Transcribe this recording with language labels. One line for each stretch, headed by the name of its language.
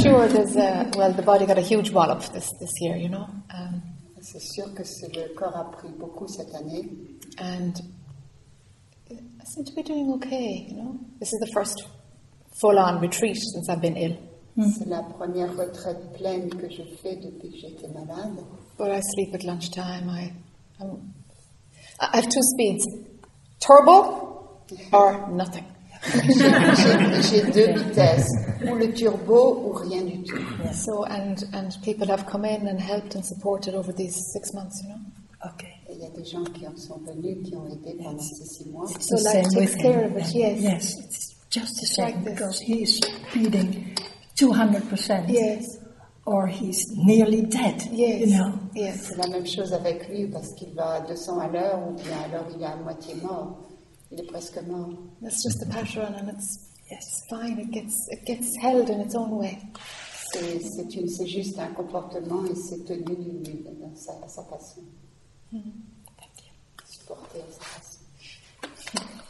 English: Sure, there's a well the body got a huge wallop this year, you know.
French: C'est sûr que le corps a pris beaucoup cette année.
English: And I seem to be doing okay, you know. This is the first full on retreat since I've been ill.
French: C'est la première retraite pleine que je fais depuis que j'étais malade.
English: But I sleep at lunchtime, I have two speeds. Turbo or nothing.
French: J'ai deux vitesses, ou le turbo ou rien du tout.
English: Yes. So and people have come in and helped and supported over these 6 months, you know. Okay.
French: Il y a des gens qui en sont venus, qui ont aidé pendant ces 6 mois.
English: It's so life takes care of it. Yes. Yes. It's just the same like because this. He's feeding 200%. Yes. Or he's nearly dead. Yes. You know. Yes.
French: C'est la même chose avec lui parce qu'il va 200 à l'heure ou bien alors il est à moitié mort. Il est presque mort.
English: That's just the pattern, and it's yes, fine. It gets held in its own way.
French: C'est juste un comportement et c'est tenu à sa façon.
English: Thank you.
French: Supporté à sa façon.